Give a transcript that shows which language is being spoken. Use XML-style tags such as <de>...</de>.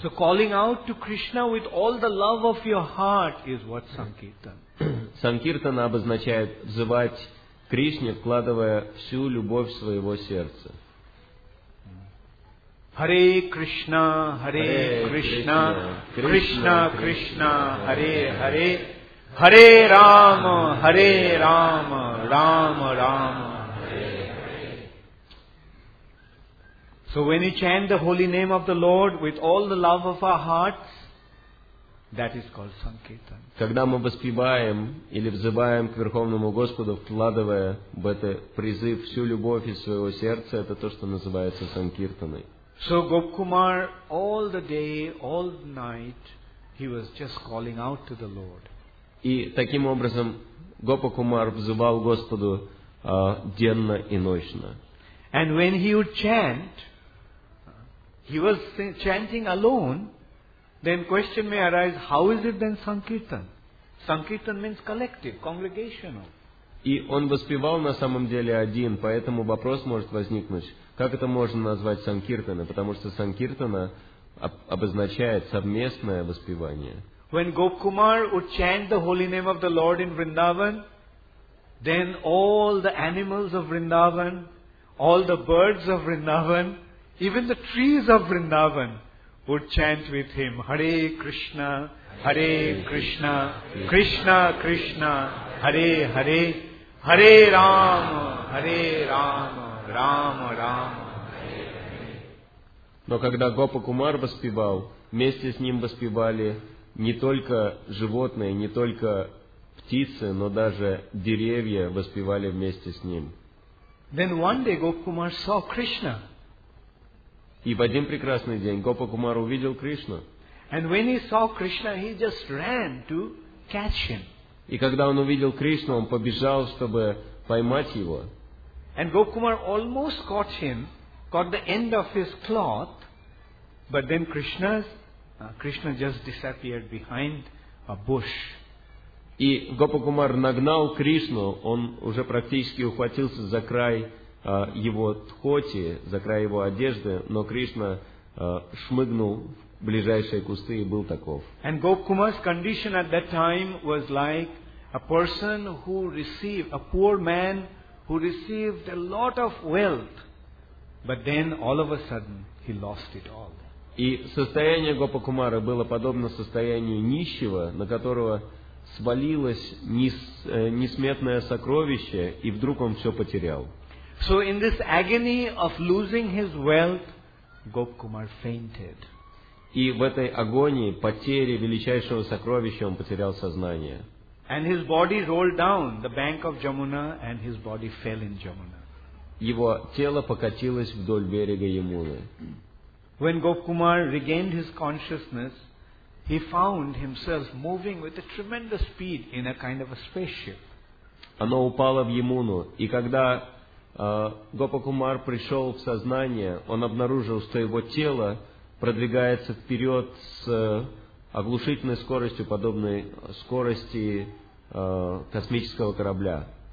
<en>So calling out to Krishna with all the love of your heart is what Sankirtan.</en> <ru>Sankirtana обозначает взывать Кришне, вкладывая всю любовь своего сердца.</ru> <sa>Hare Krishna, Hare Krishna, Krishna Krishna, Hare Hare, Hare Rama, Hare Rama, Rama Rama, Hare Hare.</sa> <en>So when we chant the holy name of the Lord with all the love of our hearts, that is called Sankirtan.</en> <ru>Когда мы воспеваем или взываем к Верховному Господу, вкладывая в это призыв всю любовь из своего сердца, это то, что называется Санкиртаной.</ru> <en>So Gopkumar, all the day, all the night, he was just calling out to the Lord.</en> <ru>И таким образом Гопакумар взывал Господу денно и ночно.</ru> <en>And when he would chant, he was chanting alone, then question may arise, how is it then Sankirtan? Sankirtan means collective, congregational.</en> <ru>И он воспевал на самом деле один, поэтому вопрос может возникнуть, как это можно назвать санкиртана, потому что санкиртана обозначает совместное воспевание.</ru> <en>When Gopkumar would chant the holy name of the Lord in Vrindavan, then all the animals of Vrindavan, all the birds of Vrindavan, even the trees of Vrindavan would chant with him,</en> <sa>Hare Krishna, Hare Krishna, Krishna Krishna, Hare Hare, Hare Rama, Hare Rama, Rama Rama.</sa> <ru>Но когда Гопакумар воспевал, вместе с ним воспевали не только животные, не только птицы, но даже деревья воспевали вместе с ним.</ru> <en>Then one day Gopakumar saw Krishna</en> <ru>И в один прекрасный день Гопа Кумар увидел Кришну.</ru> <en>And when he saw Krishna, he just ran to catch him.</en> <ru>И когда он увидел Кришну, он побежал, чтобы поймать его.</ru> <en>And Gopa Kumar almost caught him, caught the end of his cloth, but then Krishna just disappeared behind a bush.</en> <ru>И Гопа Кумар нагнал Кришну, он уже практически ухватился за край его тхоти, за край его одежды, но Кришна шмыгнул в ближайшие кусты и был таков.</ru> <en>And Gopa Kumar's condition at that time was like a person who received, a poor man who received a lot of wealth, but then all of a sudden he lost it all.</en> <ru>И состояние Гопа Кумара было подобно состоянию нищего, на которого свалилось несметное сокровище, и вдруг он все потерял.</ru> <en>So in this agony of losing his wealth, Gopa Kumar fainted.</en> <ru>И в этой агонии потери величайшего сокровища он потерял сознание.</ru> <en>And his body rolled down the bank of Jamuna, and his body fell in Jamuna.</en> <ru>Его тело покатилось вдоль берега Ямуны.</ru> <en>When Gopa Kumar regained his consciousness, he found himself moving with a tremendous speed in a kind of a spaceship.</en> <ru>Оно упало в Ямуну, и когда Гопа Кумар пришел в сознание, он обнаружил, что его тело продвигается вперед с оглушительной скоростью, подобной скорости космического корабля.</ru>